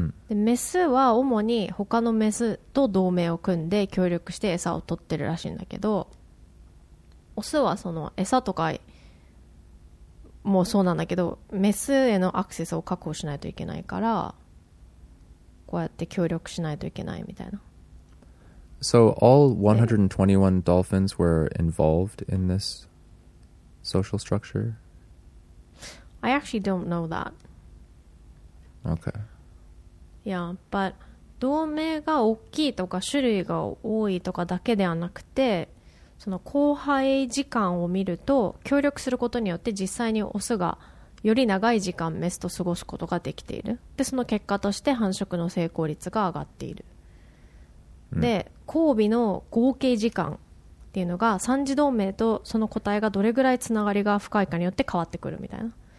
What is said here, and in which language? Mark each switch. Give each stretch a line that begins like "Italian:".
Japanese: でメスは主に他のメスと同盟を組んで協力して餌を取ってるらしいんだけど、オスはその餌とかもそうなんだけど、メスへのアクセスを確保しないといけないからこうやって協力しないといけないみたいな。
English: So all 121 dolphins were involved in this social structure? I actually don't know that. Okay.
Japanese: Yeah, but 同盟が大きいとか種類が多いとかだけではなくて、その交配時間を見ると協力することによって実際にオスがより長い時間メスと過ごすことができている。でその結果として繁殖の成功率が上がっている、うん、で交尾の合計時間っていうのが三次同盟とその個体がどれぐらいつながりが深いかによって変わってくるみたいな。